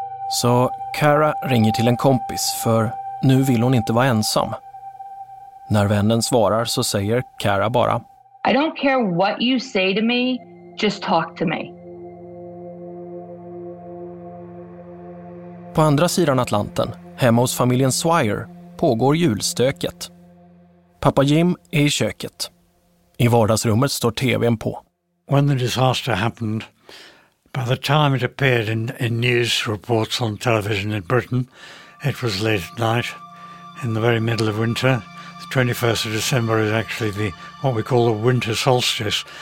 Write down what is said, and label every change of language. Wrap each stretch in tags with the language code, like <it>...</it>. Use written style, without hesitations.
<sv>Så Kara ringer till en kompis, för nu vill hon inte vara ensam. När vännen svarar så säger Kara bara:</sv> <en>I don't care what you say to me, just talk to me.</en> <sv>På andra sidan Atlanten, hemma hos familjen Swire, pågår julstöket. Pappa Jim är i köket. I vardagsrummet står TV:n på.</sv> <en>When the disaster happened, by the time it appeared in news reports on television in Britain, it was late at night, in the very middle of winter. The 21st of December is actually the what we call the winter solstice.</en>